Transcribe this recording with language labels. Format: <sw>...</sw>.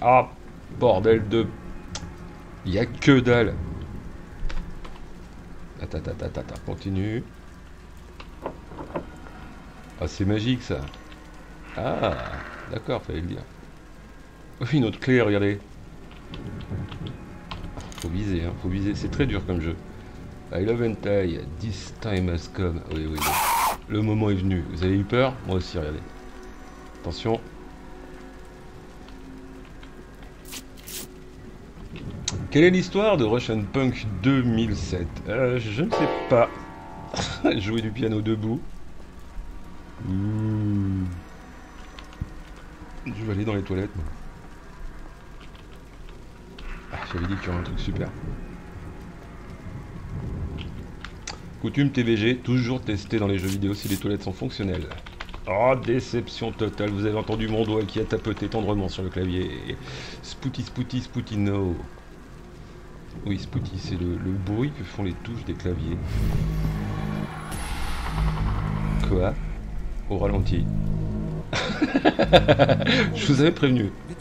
<fr>Ah, bordel de. Y'a que dalle. Attends, continue. Ah, c'est magique ça. Ah, d'accord, fallait le dire. Oui, une autre clé, regardez. Faut viser, hein, faut viser. C'est très dur comme jeu.</fr> <en>I love hentai, this time has come.</en> <fr>Oui, oui, oui. Le moment est venu. Vous avez eu peur? Moi aussi, regardez. Attention. Ok, Quelle est l'histoire de Russian Punk 2007? Je ne sais pas. Jouer du piano debout. Je vais aller dans les toilettes. Ah, j'avais dit qu'il y aurait un truc super. Coutume TVG, toujours tester dans les jeux vidéo si les toilettes sont fonctionnelles. Oh, déception totale, vous avez entendu mon doigt qui a tapoté tendrement sur le clavier. Spooty, spooty, spooty, no. Oui, spooty, c'est le bruit que font les touches des claviers. Quoi? Au ralenti. Je vous avais prévenu.</fr>